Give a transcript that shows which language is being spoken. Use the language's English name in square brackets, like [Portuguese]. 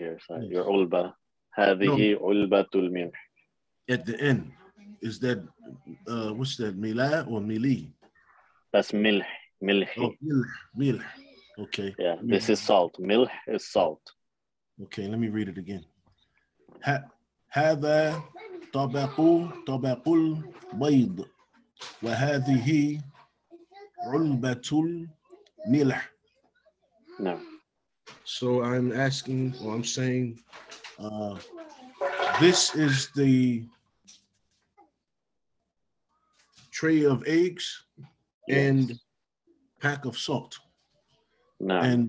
[English] Yes. You're [Arabic] ulba. Hadihi ulbatul mir. [English] At the end, is that, what's that, mila or mili? That's milh, milhi. Oh, milh, okay. Yeah, milh. This is salt, milh is salt. Okay, let me read it again. [Arabic] هذا طبق البيض وهذه علبة الملح. [English] No. So I'm asking, or I'm saying, this is the tray of eggs, yes, and pack of salt. No.